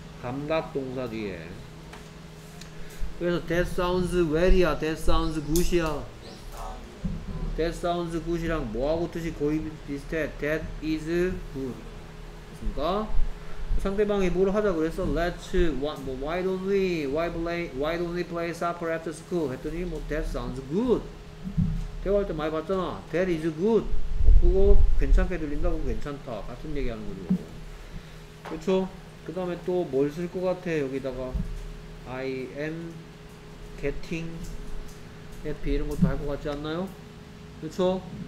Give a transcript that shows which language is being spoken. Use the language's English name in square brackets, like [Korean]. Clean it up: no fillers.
[Korean] 감각 동사 뒤에. 그래서 [English] that sounds well [Korean] 이야. [English] That sounds good이야. That sounds good이랑 [Korean] 뭐하고 뜻이 거의 비슷해. [English] That is good. [Korean] 그렇습니까? 상대방이 뭘 하자 그랬어? [English] Let's what, 뭐, why don't we why play why don't we play soccer after school? [Korean] 했더니 뭐 [English] that sounds good. [Korean] 대화할 때 많이 봤잖아. [English] That is good. [Korean] 뭐, 그거 괜찮게 들린다고 괜찮다. 같은 얘기하는 거죠. 그렇죠? 그 다음에 또 뭘 쓸 것 같아 여기다가 [English] I am getting happy [Korean] 이런 것도 할 것 같지 않나요? 그렇죠?